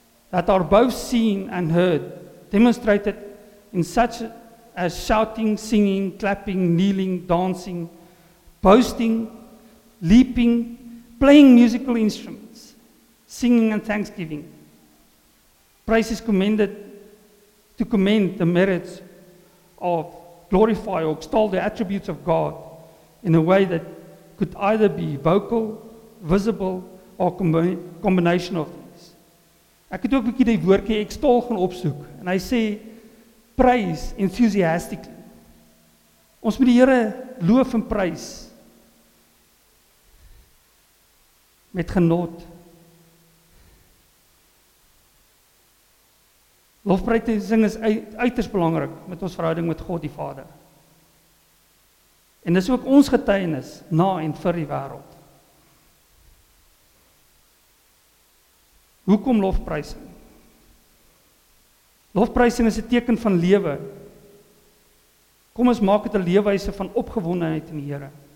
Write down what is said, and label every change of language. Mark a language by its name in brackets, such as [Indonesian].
[English] that are both seen and heard, demonstrated in such as shouting, singing, clapping, kneeling, dancing, boasting, leaping, playing musical instruments, singing and thanksgiving. Praise is commended to commend the merits of, glorify or extol the attributes of God in a way that could either be vocal, visible, or combination of these. [Afrikaans] Ek het ook 'n bietjie die woordjie extol gaan opsoek, en hy sê, [English] praise enthusiastically. [Afrikaans] Ons moet die Here loof en prys met genot. Lofprysing is uiters belangrik met ons verhouding met God die Vader. En dis ook ons getuienis na en vir die wêreld. Hoekom lofprysing? Lofprysing is 'n teken van lewe. Kom ons maak dit 'n leefwyse van opgewondenheid in die Here.